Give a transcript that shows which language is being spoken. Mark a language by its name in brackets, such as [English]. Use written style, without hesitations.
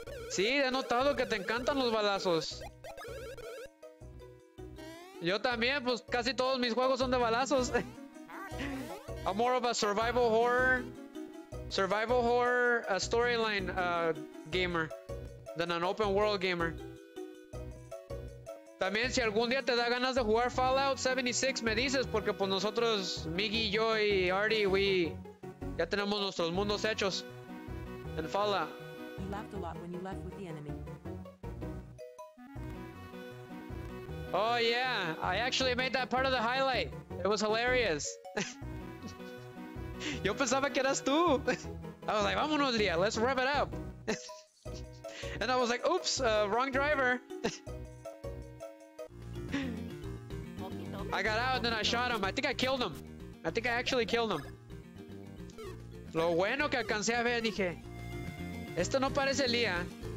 [Spanish] Sí, he notado que te encantan los balazos. Yo también, pues casi todos mis juegos son de balazos. [English] I'm more of a survival horror, storyline gamer than an open world gamer. [Spanish] También si algún día te da ganas de jugar Fallout 76, me dices, porque pues nosotros, Miggy, yo y Artie, we... Ya tenemos nuestros mundos hechos. En Fala. [English] You laughed a lot when you left with the enemy. Oh yeah, I actually made that part of the highlight. It was hilarious. [Spanish] Yo pensaba que eras tú. [English] I was like, [Spanish] vámonos, [English] Lía, let's rev it up. And I was like, oops, wrong driver. I got out and then I shot him. I think I killed him. I think I actually killed him. [Spanish] Lo bueno que alcancé a ver, dije, esto no parece Lía.